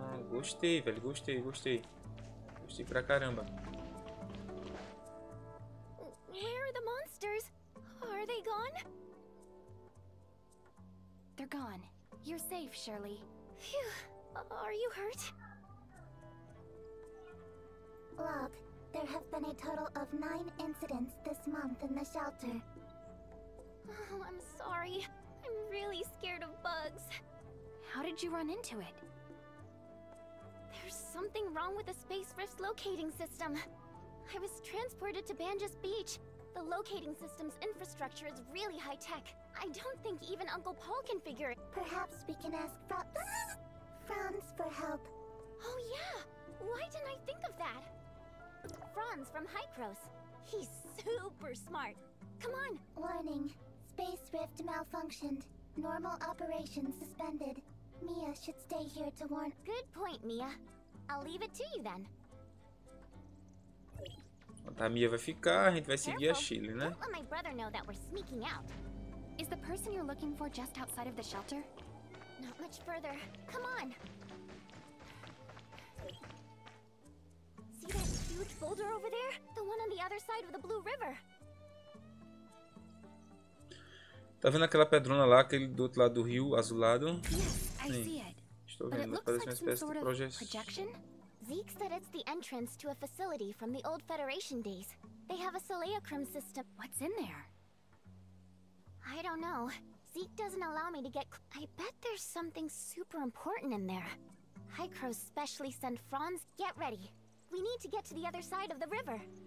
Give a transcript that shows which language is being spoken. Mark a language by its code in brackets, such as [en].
[pt] Gostei, velho. Gostei, gostei. Gostei pra caramba. Onde estão os monstros? Estão embora? Estão embora. Você está seguro, Shirley. [en] Phew. Are you hurt? Look, there have been a total of 9 incidents this month in the shelter. Oh, I'm sorry. I'm really scared of bugs. How did you run into it? There's something wrong with the Space Rift's locating system. I was transported to Banjus Beach. The locating system's infrastructure is really high-tech. I don't think even Uncle Paul can figure it. Perhaps we can ask Franz for help. Oh yeah! Why didn't I think of that? Franz from Hycros. He's super smart. Come on! Warning. Space Rift malfunctioned. Normal operations suspended. Mia should stay here to warn- Good point, Mia. I'll leave it to you then. [pt] A Mia vai ficar, a gente vai seguir a Shirley, né? [en] Don't let my brother know that we're sneaking out. Is the person you're looking for just outside of the shelter? Not much further. Come on! See that huge boulder over there? The one on the other side of the Blue River. [pt] Tá vendo aquela pedrona lá, aquele do outro lado do rio, azulado? Sim, eu vejo. Estou vendo, parece uma espécie de projeção. [en] Zeke said it's the entrance to a facility from the old Federation days. They have a Soleacrim system. What's in there? I don't know. Zeke doesn't allow me to get I bet there's something super important in there. Hycros specially sent Franz. Get ready. We need to get to the other side of the river.